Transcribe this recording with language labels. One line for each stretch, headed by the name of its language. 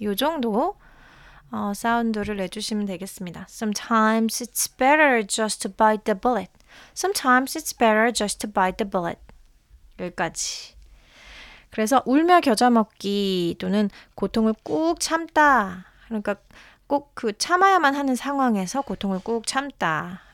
Korean: 요 정도 사운드를 내주시면 되겠습니다.
English: Sometimes it's better just to bite the bullet.
Korean: 여기까지. 그래서 울며 겨자 먹기 또는 고통을 꾹 참다. 그러니까 꼭 그 참아야만 하는 상황에서 고통을 꾹 참다.